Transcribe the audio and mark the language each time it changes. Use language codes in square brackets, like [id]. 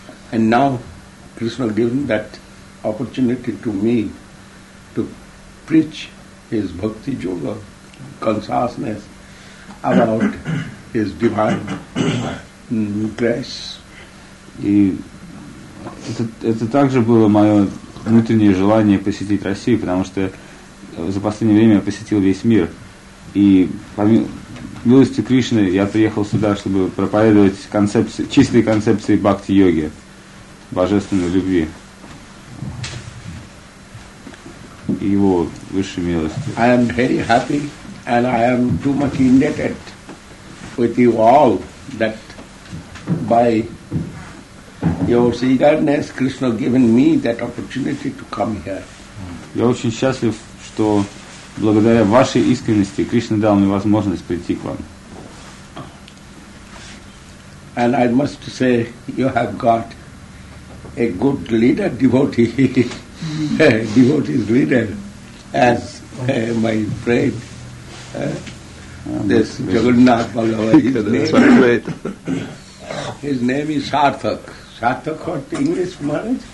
[en] And now Krishna given that opportunity to me to preach his bhakti yoga consciousness about his divine grace. [ru] И это также было мое внутреннее желание посетить Россию, потому что за последнее время я посетил весь мир. И милости Кришны, я приехал сюда, чтобы проповедовать чистые концепции бхакти-йоги, божественной любви и его высшей милости. [en] I am very happy and I am too much indebted with you all that by your eagerness Krishna given me that opportunity to come here. [ru] Я очень счастлив, что благодаря вашей искренности Кришна дал мне возможность прийти к вам. [en] And I must say, you have got a good leader, devotee, devotee's leader, as my friend, this Jagannath Balabhai. His name is Sarthak. Sarthak, what English, Maharaj?